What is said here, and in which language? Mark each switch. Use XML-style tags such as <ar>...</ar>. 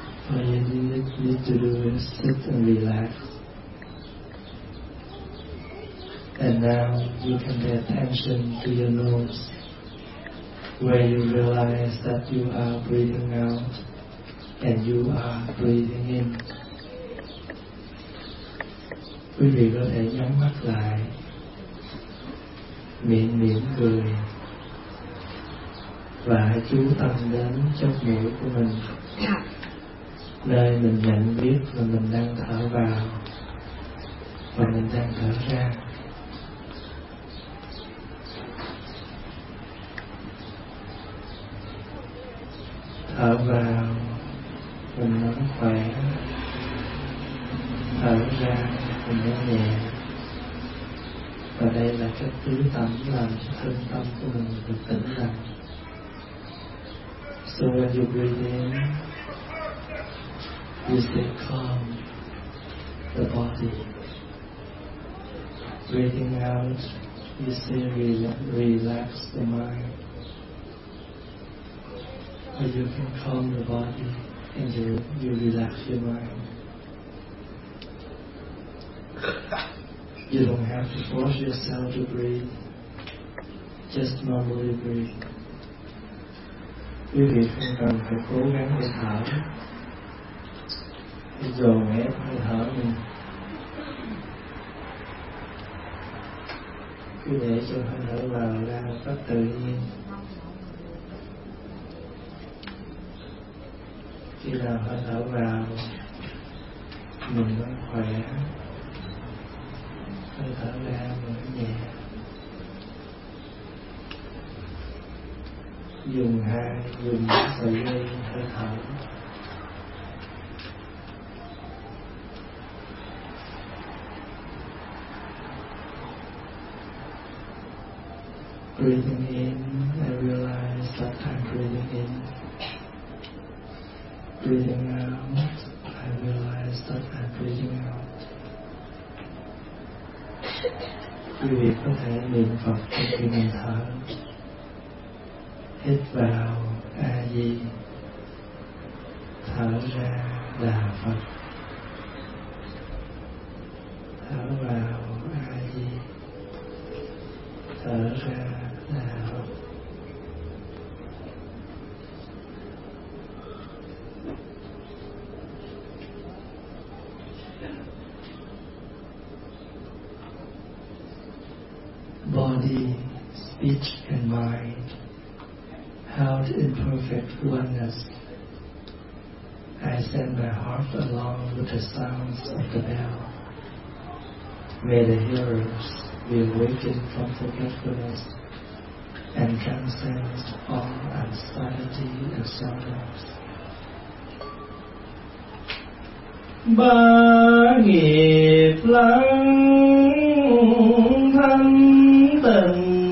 <en>All you need to do is sit and relax. And now you can pay attention to your nose, where you realize that you are breathing out and you are breathing in.</en> <vi>Quý vị có thể nhắm mắt lại, miệng mỉm cười và chú tâm đến trong mũi của mình, nơi mình nhận biết là mình đang thở vào và mình đang thở ra. Thở vào mình nắm khỏe, thở ra mình nắm nhẹ. Và đây là cách tứ tâm làm cho thân tâm của mình được tĩnh lặng.</vi> <en>So when you breathe in, you stay calm, the body. Breathing out, you stay relax the mind. Or you can calm the body and you relax your mind. You don't have to force yourself to breathe. Just normally breathe.</en> <vi>Quý vị không cần phải cố gắng để thở, để dồn ép để thở mình. Cứ để cho hơi thở vào ra một cách tự nhiên. Khi nào hơi thở vào, mình vẫn khỏe. Hơi thở ra, mình vẫn nhẹ. Dùng hai, dùng sợi dây hơi thở.</vi> <en>Breathing in, I realize that I'm breathing in. Breathing out, I realize that I'm breathing out.</en> <vi>Quý vị có thể niệm Phật trong khi mình thở. Hít vào A Di, thở ra Đà Phật. Thở vào A Di, thở ra Đà Phật.</vi> <en>Body, speech and mind held in perfect oneness, I send my heart along with the sounds of the bell. May the hearers be awakened from forgetfulness and transcend all anxiety and sorrows.</en> <vi>Ba nghiệp lắng thanh tịnh,</vi>